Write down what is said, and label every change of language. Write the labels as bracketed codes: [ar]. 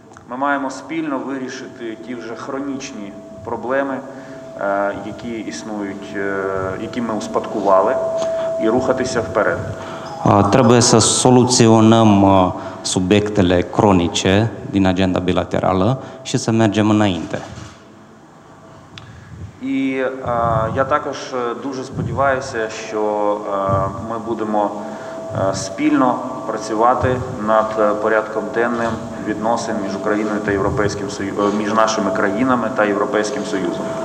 [uk] Ми маємо спільно вирішити ті вже хронічні проблеми, які існують, які ми успадкували, і рухатися вперед. [ro] Trebuie să soluționăm subiectele cronice din agenda bilaterală și să mergem înainte. [uk] І я також дуже сподіваюся, що ми будемо спільно працювати над порядком денним відносин між Україною та Європейським Союзом, між нашими країнами та Європейським Союзом.